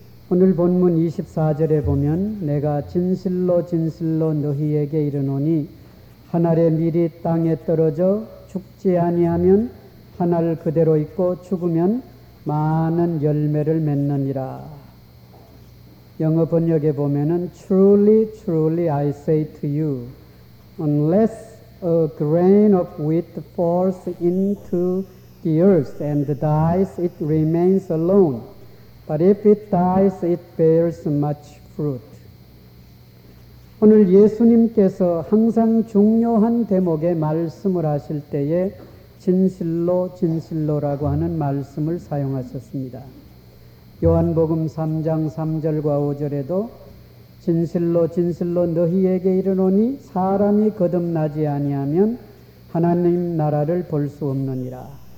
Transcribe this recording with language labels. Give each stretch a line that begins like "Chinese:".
Korean: 오늘 본문 24절에 보면 내가 진실로 진실로 너희에게 이르노니 한 알의 밀이 땅에 떨어져 죽지 아니하면 한 알 그대로 있고 죽으면 많은 열매를 맺느니라. 영어 번역에 보면은
English: Truly, truly I say to you, unless a grain of wheat falls into the earth and dies, it remains alone. But if it dies, it bears much fruit.
Korean: 오늘 예수님께서 항상 중요한 대목에 말씀을 하실 때에 진실로 진실로라고 하는 말씀을 사용하셨습니다. 요한복음 3장 3절과 5절에도 진실로 진실로 너희에게 이르노니 사람이 거듭나지 아니하면 하나님 나라를 볼 수 없느니라.